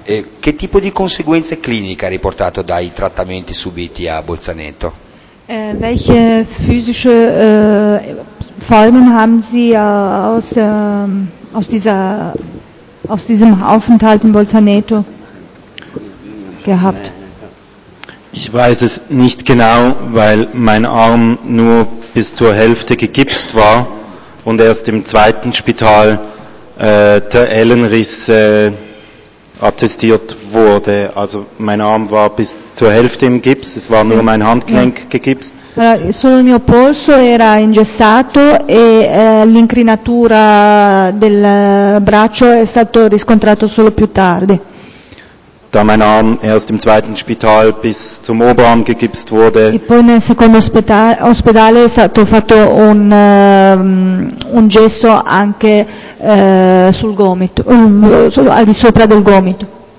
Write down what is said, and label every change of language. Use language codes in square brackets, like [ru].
[it] Che tipo di conseguenze cliniche ha riportato dai trattamenti subiti a Bolzaneto? [de] Welche physische Folgen haben Sie aus diesem Aufenthalt in Bolzaneto gehabt? Ich weiß es nicht genau, weil mein Arm nur bis zur Hälfte gegipst war und erst im zweiten Spital der Ellenriss attestiert wurde. Also mein Arm war bis zur Hälfte im Gips, es war nur mein Handgelenk gegipst. [it] Solo il mio polso era ingessato e l'incrinatura del braccio è stato riscontrato solo più tardi. [de] Da mein Arm erst im zweiten Spital bis zum Oberarm gegipst wurde. [it] E poi nel secondo ospedale è stato fatto un gesso anche sul gomito, al di sopra del gomito.